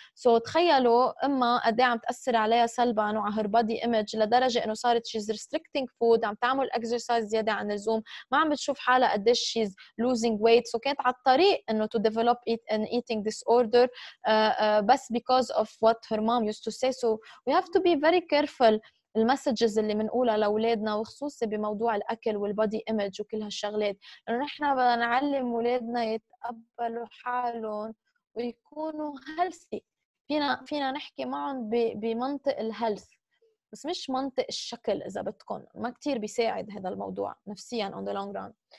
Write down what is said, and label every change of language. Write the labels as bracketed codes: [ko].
[ar] So تخيلوا إما قد عم تأثر عليها سلبا وعلى her body image لدرجة إنه صارت [en] she's restricting food [ar] عم تعمل exercise زيادة عن اللزوم ما عم بتشوف حالها قديش [en] she's losing weight. So [ar] كانت على الطريق إنه [en] to develop an eating disorder بس because of what her mom used to say. [ar] So we have to be very careful المسجز اللي منقولها لأولادنا وخصوصي بموضوع الأكل والبادي إيمج وكل هالشغلات لأنه نحن بدنا نعلم أولادنا يتقبلوا حالهم ويكونوا هلسي. فينا نحكي معهم بمنطق الهلس بس مش منطق الشكل إذا بتكون ما كتير بيساعد هذا الموضوع نفسيا [en] on the long run.